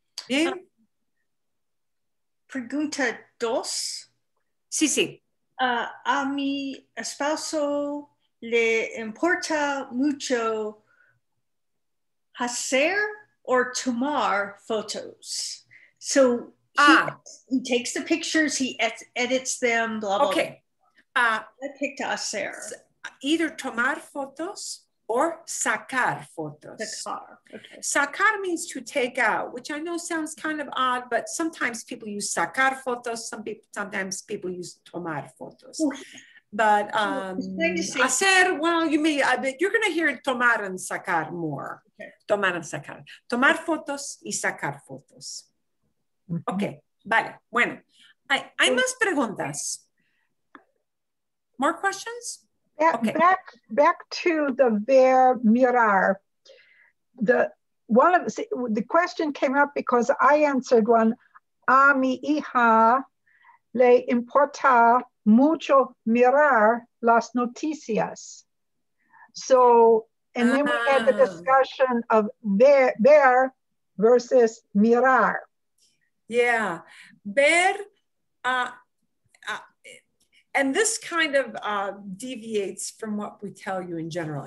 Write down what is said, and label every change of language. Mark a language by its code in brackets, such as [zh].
[es] Bien. Pregunta dos. Sí, sí. A mi esposo le importa mucho hacer or tomar photos. [en] So he takes the pictures, he edits them, blah, blah. Okay. I picked hacer. Either tomar photos or sacar photos. Sacar, okay. Sacar means to take out, which I know sounds kind of odd, but sometimes people use sacar photos, sometimes people use tomar photos. But you're gonna hear tomar and sacar more. Okay. [es] Tomar and sacar. Tomar fotos y sacar fotos. Mm-hmm. Okay, vale, bueno. Hay más preguntas? [en] More questions? Back to the ver mirar. The question came up because I answered one. [es] A mi hija le importa mucho mirar las noticias. [en] So, and then we had the discussion of ver versus mirar. Yeah, ver. And this kind of deviates from what we tell you in general.